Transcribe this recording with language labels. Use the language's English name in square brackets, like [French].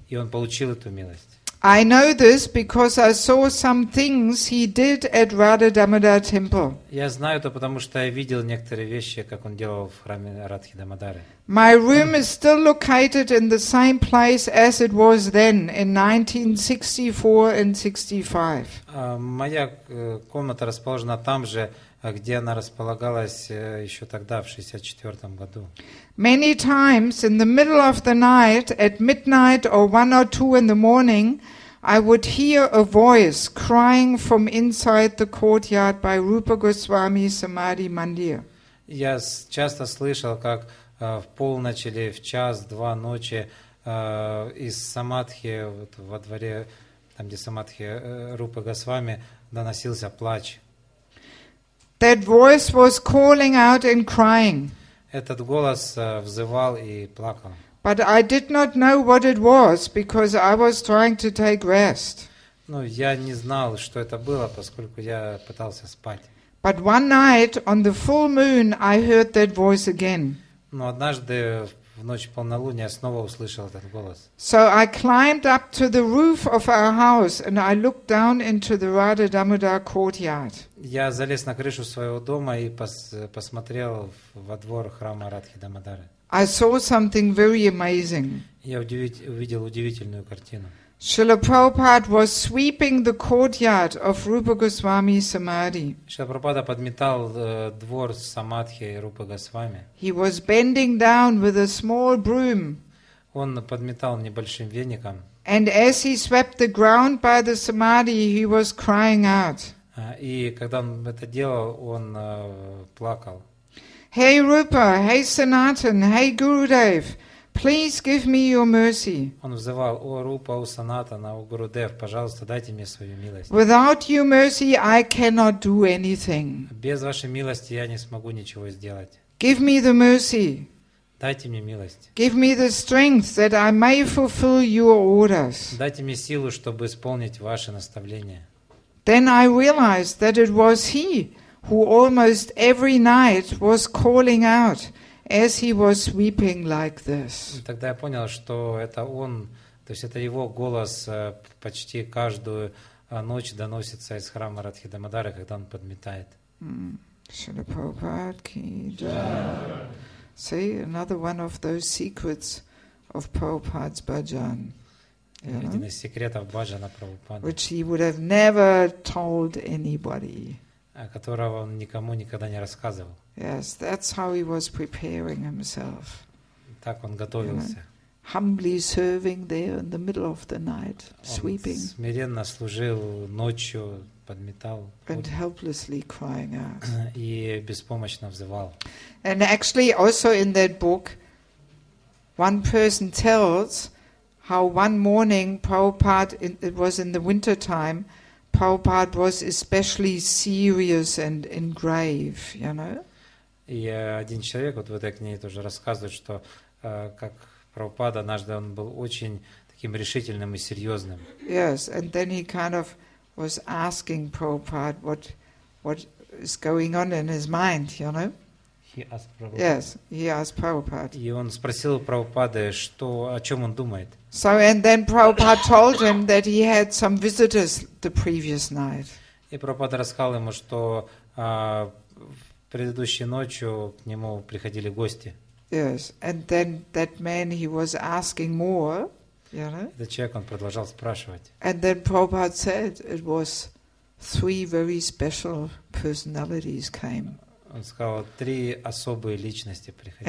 [Russian] И он получил эту милость. [English] I know this because I saw some things he did at Radha Damodara temple. [Russian] Я знаю это, потому что я видел некоторые вещи, как он делал в храме Радхи Дамодары. [English] My room is still located in the same place as it was then in 1964 and 65. [Russian] Моя комната расположена там же, где она располагалась еще тогда, в 64-м году. [English] Many times in the middle of the night, at midnight or 1 or 2 in the morning, I would hear a voice crying from inside the courtyard by Rupa Goswami Samadhi Mandir. [Russian] Я часто слышал, как в полночь или в час-два ночи из Самадхи, вот во дворе, там где Самадхи Рупа Госвами, доносился плач. [English] That voice was calling out and crying. [Russian] Этот голос взывал и плакал. [English] But I did not know what it was because I was trying to take rest. [Russian] Ну, я не знал, что это было, поскольку я пытался спать. [English] But one night on the full moon I heard that voice again. [Russian] Но однажды в ночь полнолуния я снова услышал этот голос. [English] So I climbed up to the roof of our house and I looked down into the Radha Damodara courtyard. [Russian] Я залез на крышу своего дома и посмотрел во двор храма Радхи Дамодары. [English] I saw something very amazing. [Russian] Я увидел удивительную картину. [English] Srila Prabhupada was sweeping the courtyard of Rupa Goswami Samadhi. [Russian] Srila Prabhupada подметал двор Самадхи и Рупы Госвами. [English] He was bending down with a small broom. [Russian] Он подметал небольшим веником. [English] And as he swept the ground by the Samadhi, he was crying out. [Russian] И когда он это делал, он плакал. [English] Hey Rupa, hey Sanatan, hey Gurudev, please give me your mercy. [Russian] Он взывал: О Рупа, о Санатана, о Гурудев, пожалуйста, дайте мне свою милость. [English] Without your mercy, I cannot do anything. [Russian] Без вашей милости я не смогу ничего сделать. [English] Give me the mercy. [Russian] Дайте мне милость. [English] Give me the strength that I may fulfill your orders. [Russian] Дайте мне силу, чтобы исполнить ваши наставления. [English] Then I realized that it was he who almost every night was calling out as he was weeping like this. [Russian] Тогда я понял, что это он, то есть это его голос почти каждую ночь доносится из храма Радхи Дамодары, когда он подметает. [Hindi] Srila Prabhupada ki jai. [English] See, another one of those secrets of Prabhupada's bhajan. [Russian] Один из секретов бхаджана Прабхупады. [English] Which he would have never told anybody. [Russian] Которого он никому никогда не рассказывал. [English] Yes, that's how he was preparing himself. [Russian] Так он готовился. [English] Humbly serving there in the middle of the night, sweeping. [Russian] Он смиренно служил ночью, подметал. [English] And helplessly crying out. [Russian] И беспомощно взывал. [English] And actually also in that book, one person tells how one morning Prabhupada, it was in the winter time, Prabhupada was especially serious and grave, you know? [Russian] И один человек вот в этой книге тоже рассказывает, что как Прабхупада однажды он был очень таким решительным и серьезным. [English] Yes, and then he kind of was asking Prabhupada what is going on in his mind, you know? He asked Prabhupada. Yes, he asked Prabhupada. [Russian] И он спросил Прабхупады, что о чем он думает. [English] So and then Prabhupada told him that he had some visitors the previous night. [Russian] И Прабхупада рассказал ему, что предыдущей ночью к нему приходили гости. [English] Yes, and then that man he was asking more. The [Russian] человек, он продолжал спрашивать. [English] And then Prabhupada said it was three very special personalities came. [Russian] Он сказал, три особые личности приходили.